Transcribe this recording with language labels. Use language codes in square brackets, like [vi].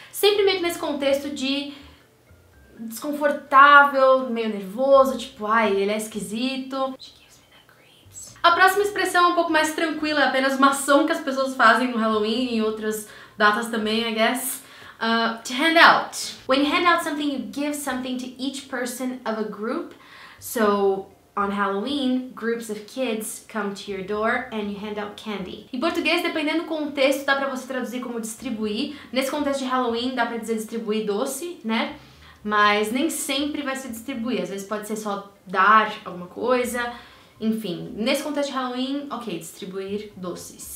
[pt] Sempre meio que nesse contexto de desconfortável, meio nervoso, tipo, ai, ele é esquisito. [en] She gives me the creeps. [pt] A próxima expressão é um pouco mais tranquila, é apenas uma ação que as pessoas fazem no Halloween e em outras datas também, [en] I guess. To hand out. When you hand out something, you give something to each person of a group. So, on Halloween, groups of kids come to your door and you hand out candy. [pt] Em português, dependendo do contexto, dá pra você traduzir como distribuir. Nesse contexto de Halloween, dá pra dizer distribuir doce, né? Mas nem sempre vai ser distribuir. Às vezes pode ser só dar alguma coisa. Enfim, nesse contexto de Halloween, ok, distribuir doces.